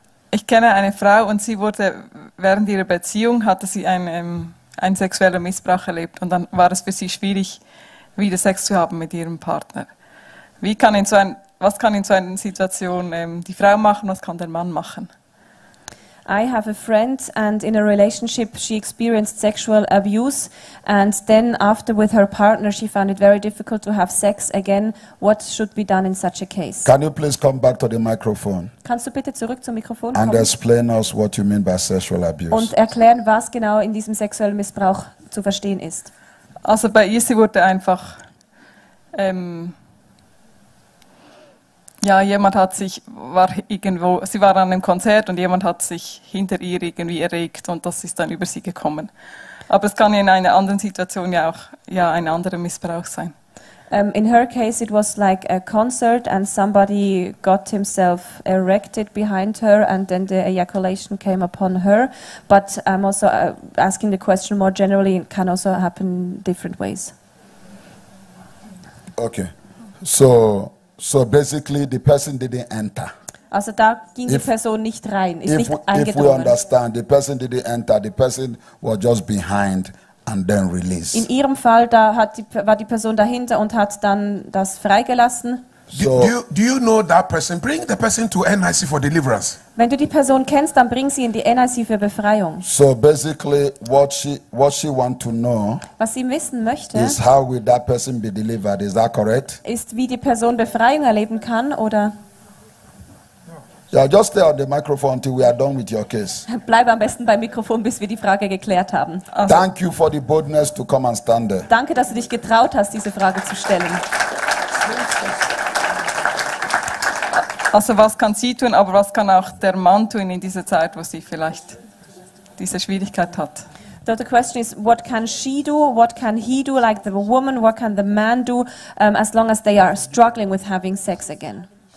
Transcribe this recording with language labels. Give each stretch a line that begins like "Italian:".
German: Ich kenne eine Frau und sie wurde während ihrer Beziehung hatte sie einen sexuellen Missbrauch erlebt und dann war es für sie schwierig, wieder Sex zu haben mit ihrem Partner. Was kann in so einer Situation die Frau machen? Was kann der Mann machen?
English: I have a friend and in a relationship she experienced sexual abuse and then after with her partner she found it very difficult to have sex again. What should be done in such a case? Can you please come back to the microphone?
German: Kannst du bitte zurück zum Mikrofon kommen?
English: And explain us what you mean by sexual abuse.
German: Und erklären, was genau in diesem sexuellen Missbrauch zu verstehen ist. Also bei ihr, sie wurde einfach jemand hat sich, sie war an einem Konzert und jemand hat sich hinter ihr irgendwie erregt und das ist dann über sie gekommen. Aber es kann in einer anderen Situation ja auch ein anderer Missbrauch sein.
English: In her case it was like a concert and somebody got himself erected behind her and then the ejaculation came upon her. But I'm also asking the question more generally, it can also happen different ways. Okay, so basically the person didn't enter.
German: Also da ging die Person nicht rein, ist nicht eingedrungen.
English: If we understand, the person didn't enter, the person was just behind and then released.
German: In ihrem Fall, da war die Person dahinter und hat dann das freigelassen.
English: Do you know that person? Bring the person to NIC for deliverance.
German: Wenn du die Person kennst, dann bring sie in die NIC für Befreiung.
English: So basically what she want to know,
German: was sie wissen möchte,
English: is how will that person be delivered, is that correct?
German: Ist, wie die Person Befreiung erleben kann, oder?
English: Yeah, just stay on the microphone until we are done with your case.
German: Bleib am besten beim Mikrofon, bis wir die Frage geklärt haben.
English: Also, thank you for the boldness to come and stand there.
German: Danke, dass du dich getraut hast, diese Frage zu stellen. Also was kann sie tun, aber was kann auch der Mann tun in dieser Zeit, wo sie vielleicht diese Schwierigkeit hat?
English: So the question is, what can she do, what can he do, like the woman, what can the man do, as long as they are struggling with having sex again?